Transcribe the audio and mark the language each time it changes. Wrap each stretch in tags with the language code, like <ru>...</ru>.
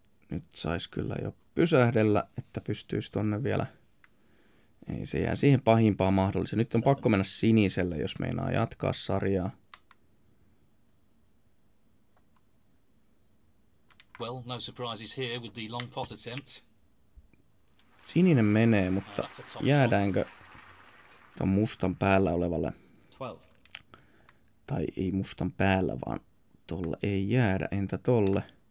<fi>Nyt saisi kyllä jo pysähdellä, että pystyisi tonne vielä. Ei se jää siihen pahimpaan mahdolliseen. Nyt on pakko mennä siniselle, jos meinaa jatkaa sarjaa.</fi> <en>Well, no surprises here with the long pot attempt.</en> <fi>Sininen menee, mutta jäädäänkö ton mustan päällä olevalle? 12. Tai ei mustan päällä, vaan tolle ei jäädä. Entä tolle?</fi>